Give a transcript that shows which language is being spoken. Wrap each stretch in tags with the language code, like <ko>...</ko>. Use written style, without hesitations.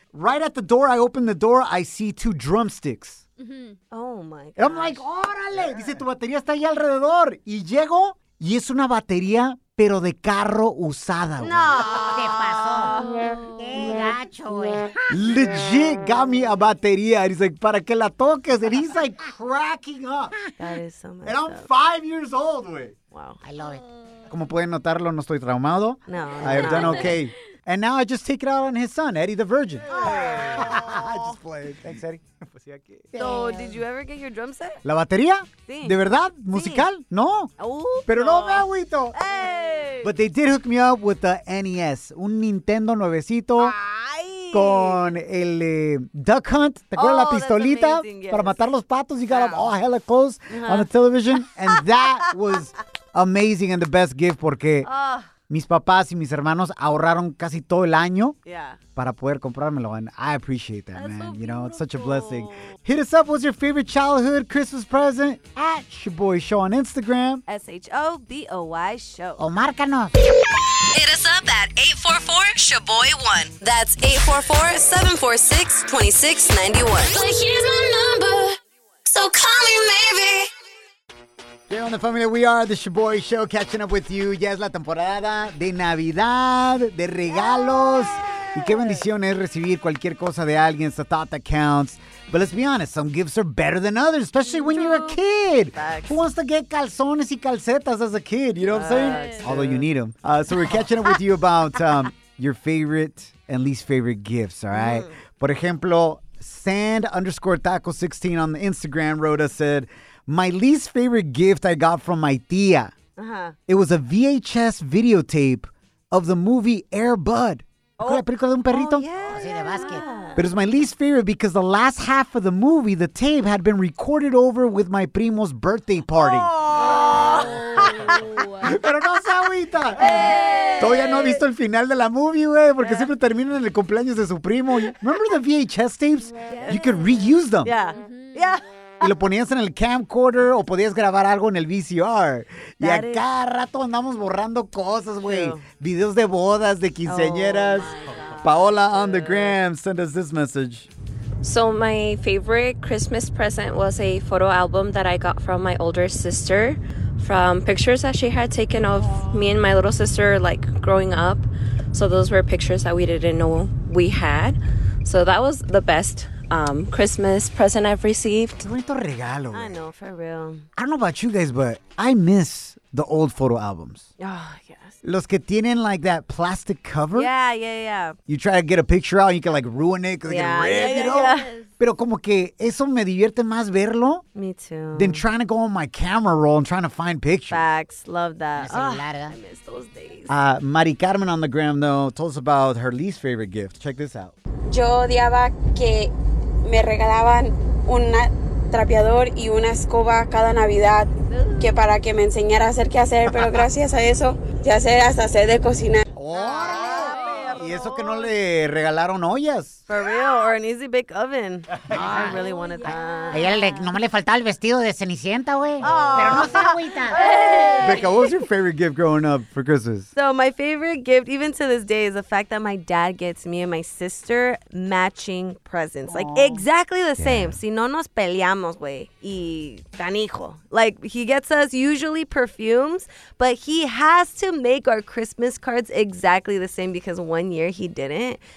<en>Right at the door, I open the door, I see two drumsticks. Mm-hmm. Oh, my God. I'm like,</en> <es>órale.</es> <en>Yeah.</en> <es>Dice, tu batería está ahí alrededor. Y llego, y es una batería, pero de carro usada. No. ¿Qué pasó? Qué gacho, güey.</es> <en>Legit got me a batería. And he's like,</en> <es>¿para qué la toques?</es> <en>And he's like cracking up. That is so much. And I'm 5 years old, güey. Wow. I love it.</en> <es>Como pueden notarlo, no estoy traumado. No.</es> <en>I have done okay. And now I just take it out on his son, Eddie the Virgin. Oh. I just played. Thanks, Eddie. So, did you ever get your drum set?</en> <es>¿La batería? Sí. ¿De verdad? ¿Musical? Sí. No. Upa. Pero no me agüito.</es> <en>Hey. But they did hook me up with the NES,</en> <es>un Nintendo nuevecito. Ay. Con el Duck Hunt, ¿te acuerdas la pistolita?</es> <en>Yes.</en> <es>Para matar los patos.</es> <en>You got them all hella close on the television. And that was amazing and the best gift porque...</en> <es>Mis papás y mis hermanos ahorraron casi todo el año para poder comprármelo.</es> <en>And I appreciate that, man. So you beautiful. Know, it's such a blessing. Hit us up. What's your favorite childhood Christmas present? At Shaboy Show on Instagram. S-H-O-B-O-Y Show.</en> <es>O márcanos.</es> <en>Hit us up at 844-SHABOY1. That's 844-746-2691. But here's my number. So call me, maybe. Hey, on the family, we are the Shaboy Show, catching up with you.</en> <es>Ya es la temporada de Navidad, de regalos. Y qué bendición es recibir cualquier cosa de alguien.</es> <en>It's the thought that counts. But let's be honest, some gifts are better than others, especially when you're a kid. Facts. Who wants to get</en> <es>calzones y calcetas</es> <en>as a kid? You know what I'm saying? Facts. Although you need them. So we're catching up with you about your favorite and least favorite gifts, all right? Mm.</en> <es>Por ejemplo,</es> <en>sand_taco16 on the Instagram wrote us, said, my least favorite gift I got from my tía. Uh-huh. It was a VHS videotape of the movie Air Bud. Oh,</en> <es>la película de un perrito?</es> <en>Oh, yeah,</en> <es>sí, de básquet.</es> <en>Yeah. But it's my least favorite because the last half of the movie, the tape, had been recorded over with my primo's birthday party. Oh.</en> <es>Pero no se agüita. Todavía no ha visto el final de la movie, güey, porque siempre terminan en el cumpleaños de su primo.</es> <en>Remember the VHS tapes? Yeah. You could reuse them. Yeah. Mm-hmm. Yeah.</en> <es>Y lo ponías en el camcorder o podías grabar algo en el VCR.</es> <en>That</en> <es>y a cada rato andamos borrando cosas, güey. Videos de bodas, de quinceañeras.</es> <en>Oh, Paola on the gram, send us this message. So my favorite Christmas present was a photo album that I got from my older sister from pictures that she had taken of me and my little sister, like, growing up. So those were pictures that we didn't know we had. So that was the best Christmas present I've received.</en> <es>Qué bonito regalo.</es> <en>I know, for real. I don't know about you guys, but I miss the old photo albums. Oh, yes.</en> <es>Los que tienen</es> <en>like that plastic cover. Yeah. You try to get a picture out, you can like ruin it because they get ripped, you know? Yeah.</en> <es>Pero como que eso me divierte más verlo.</es> <en>Me too. Than trying to go on my camera roll and trying to find pictures. Facts. Love that. Oh, I miss those days. Mari Carmen on the gram, though, told us about her least favorite gift. Check this out.</en> <es>Yo odiaba que me regalaban una trapeador y una escoba cada Navidad que para que me enseñara a hacer qué hacer, pero gracias a eso ya sé hasta hacer de cocinar. Oh, y eso que no le regalaron ollas.</es> <en>For real, or an easy bake oven. I really wanted that.</en> <es>A ella no le faltaba el vestido de Cenicienta, güey. Pero no se agüita.</es> <en>Becca, what was your favorite gift growing up for Christmas? So my favorite gift, even to this day, is the fact that my dad gets me and my sister matching presents.</en> <es>Aww.</es> <en>Like, exactly the same.</en> <es>Si no nos peleamos, güey. Y canijo.</es> <en>Like, he gets us usually perfumes, but he has to make our Christmas cards exactly the same because one year he didn't.</en>